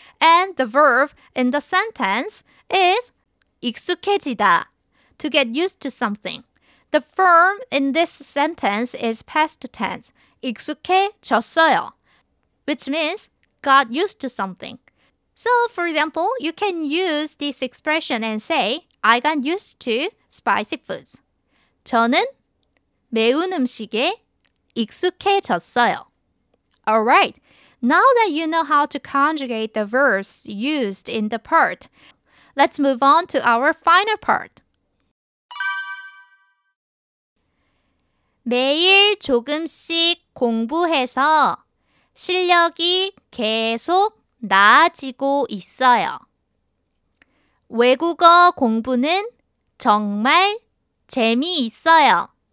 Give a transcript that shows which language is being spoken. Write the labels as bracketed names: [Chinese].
[English] And the verb in the sentence is 익숙해지다, to get used to something. The form in this sentence is past tense, 익숙해졌어요, which means got used to something. So, for example, you can use this expression and say, I got used to spicy foods. [Korean] 저는 매운 음식에 익숙해졌어요. [English] Alright, now that you know how to conjugate the verbs used in the part, let's move on to our final part. [Korean] 매일 조금씩 공부해서 실력이 계속 나아지고 있어요. 외국어 공부는 정말 재미있어요.